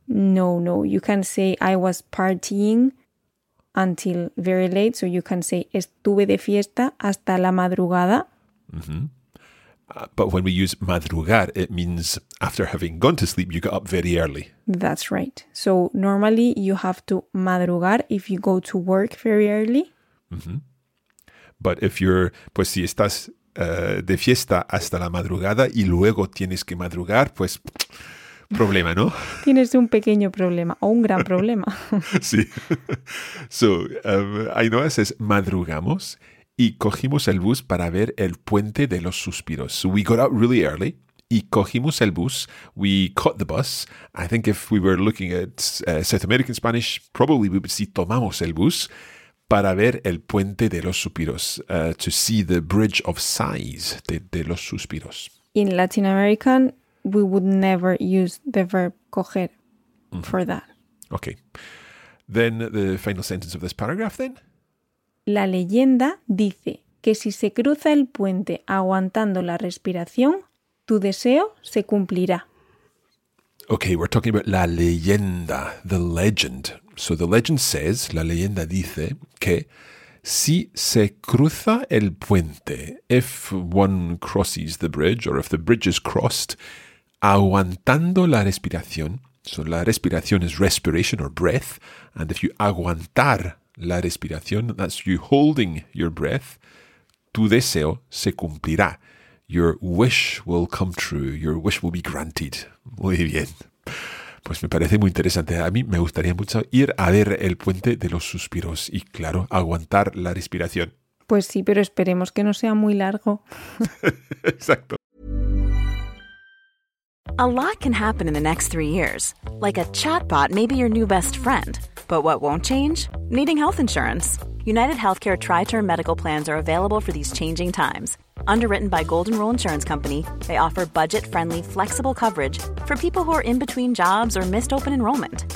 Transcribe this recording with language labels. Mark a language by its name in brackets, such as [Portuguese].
[English] No, you can say I was partying until very late, so you can say [Spanish] estuve de fiesta hasta la madrugada. Mm-hmm. [English] But when we use madrugar, it means after having gone to sleep, you got up very early. That's right. So normally you have to madrugar if you go to work very early. Mm-hmm. But if you're, [Spanish] pues si estás de fiesta hasta la madrugada y luego tienes que madrugar, pues problema, ¿no? Tienes un pequeño problema o un gran problema. Sí. [English] So, Ainhoa says, [Spanish] madrugamos y cogimos el bus para ver el puente de los suspiros. [English] So we got up really early [Spanish] y cogimos el bus. [English] We caught the bus. I think if we were looking at South American Spanish, probably we would see [Spanish] tomamos el bus para ver el puente de los suspiros, [English] to see the bridge of sighs de los suspiros. In Latin American, we would never use the verb coger for that. Okay. Then the final sentence of this paragraph then. [Spanish] La leyenda dice que si se cruza el puente aguantando la respiración, tu deseo se cumplirá. [English] Okay, we're talking about la leyenda, the legend. So the legend says, [Spanish] la leyenda dice que si se cruza el puente, [English] if one crosses the bridge or if the bridge is crossed, [Spanish] aguantando la respiración, [English] so la respiración is respiration or breath, and if you aguantar la respiración, that's you holding your breath, [Spanish] tu deseo se cumplirá. [English] Your wish will come true, your wish will be granted. [Spanish] Muy bien. Pues me parece muy interesante. A mí me gustaría mucho ir a ver el puente de los suspiros y, claro, aguantar la respiración. Pues sí, pero esperemos que no sea muy largo. Exacto. [English] A lot can happen in the next 3 years. Like a chatbot may be your new best friend. But what won't change? Needing health insurance. UnitedHealthcare Tri-Term Medical Plans are available for these changing times. Underwritten by Golden Rule Insurance Company, they offer budget-friendly, flexible coverage for people who are in between jobs or missed open enrollment.